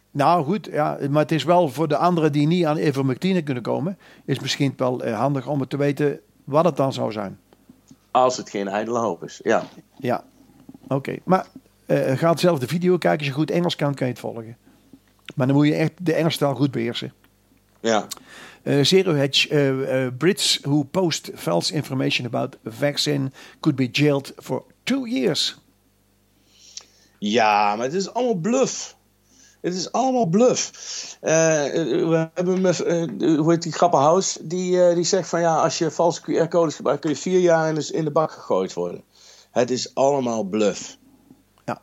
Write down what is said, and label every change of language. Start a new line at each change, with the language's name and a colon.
Dutch: Nou goed, ja, maar het is wel voor de anderen die niet aan ivermectine kunnen komen, is misschien wel handig om het te weten wat het dan zou zijn. Als het geen ijdele hoop is, ja. Ja, oké. Maar ga zelf de video kijken. Als je goed Engels kan je het volgen. Maar dan moet je echt de Engelse taal goed beheersen. Ja.
English: Zero Hedge, Brits who post false information about vaccine could be jailed for 2 years.
Dutch: Ja, maar het is allemaal bluff. Het is allemaal bluff. We hebben die grappenhuis die zegt van ja, als je valse QR-codes gebruikt, kun je 4 jaar in de bak gegooid worden. Het is allemaal bluff. Ja.